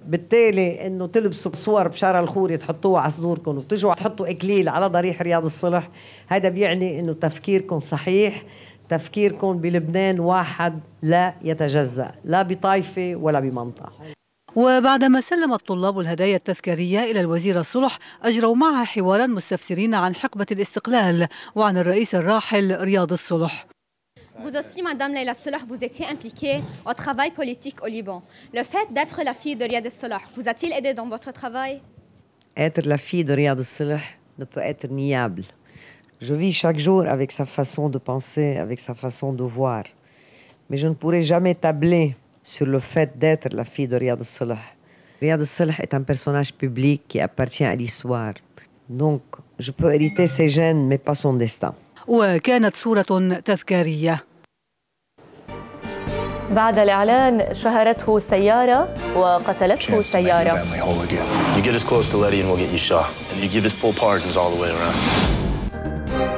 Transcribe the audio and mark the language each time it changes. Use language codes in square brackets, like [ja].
[ar] بالتالي انه تلبسوا صور بشارة الخوري تحطوها على صدوركم وتجوا تحطوا اكليل على ضريح رياض الصلح، هذا بيعني انه تفكيركم صحيح، تفكيركم بلبنان واحد لا يتجزأ لا بطايفة ولا بمنطقة. وبعدما سلم الطلاب الهدايا التذكارية إلى الوزيرة الصلح، أجروا معها حوارا مستفسرين عن حقبة الاستقلال وعن الرئيس الراحل رياض الصلح. [fr] Vous aussi, Madame Leila Solah, vous étiez impliquée au travail politique au Liban. Le fait d'être la fille de Riyad al-Solah, vous a-t-il aidé dans votre travail? Être la fille de Riyad al-Solah ne peut être niable. Je vis chaque jour avec sa façon de penser, avec sa façon de voir. Mais je ne pourrai jamais tabler sur le fait d'être la fille de Riyad al-Solah. Riyad al-Solah est un personnage public qui appartient à l'histoire. Donc, je peux hériter ses gènes, mais pas son destin. [ar] وكانت صورة تذكارية. بعد الإعلان، شهرته سيارة وقتلته سيارة. [en] You get us close to Letty and we'll get you Shah. And you give us full pardons all the way around.